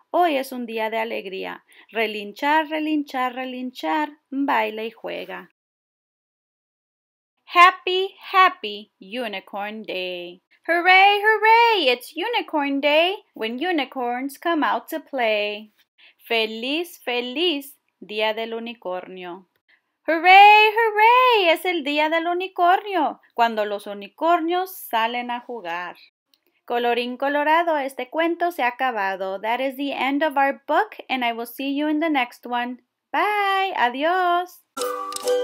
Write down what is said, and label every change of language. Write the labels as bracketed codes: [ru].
[es] Hoy es un día de alegría. Relinchar, relinchar, relinchar, baila y juega. [en] Happy, happy Unicorn Day. Hooray, hooray, it's Unicorn Day when unicorns come out to play. [es] Feliz, feliz Día del Unicornio. Hooray, hooray, es el Día del Unicornio cuando los unicornios salen a jugar. Colorín colorado, este cuento se ha acabado. [en] That is the end of our book, and I will see you in the next one. Bye. Adiós.